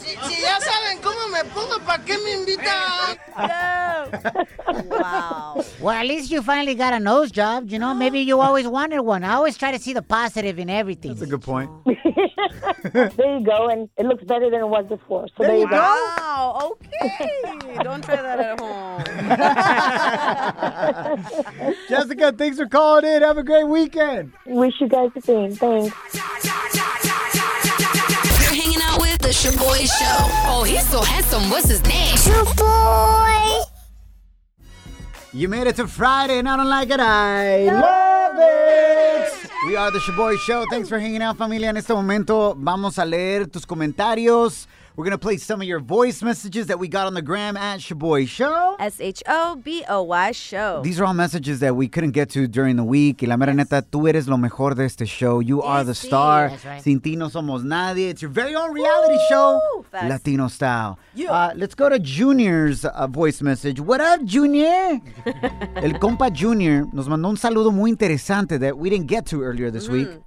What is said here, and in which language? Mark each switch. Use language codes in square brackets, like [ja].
[es] si ya saben cómo me pongo, ¿para qué me invitan? [en] Wow. Well, at least you finally got a nose job. You know, maybe you always wanted one. I always try to see the positive in everything. That's a good point. There you go. And it looks better than it was before. So there you go. Wow. Okay. Don't try that at home. Jessica, thanks for calling in. Have a great weekend. Wish you guys the same. Thanks. You're hanging out with the Shaboy Show. Oh, he's so handsome. What's his name? Shaboy. You made it to Friday, and I don't like it. I love it. We are the Shaboy Show. Thanks for hanging out, familia. [es] En este momento, vamos a leer tus comentarios. [en] We're going to play some of your voice messages that we got on the gram at Shaboy Show. S-H-O-B-O-Y Show. These are all messages that we couldn't get to during the week. [es] Y la mera neta, tú eres lo mejor de este show. [en] You are the star. That's right. [es] Sin ti no somos nadie. [en] It's your very own reality show. Fast. Latino style. Let's go to Junior's voice message. What up, Junior? [es] El compa Junior nos mandó un saludo muy interesante [en] that we didn't get to earlier this week.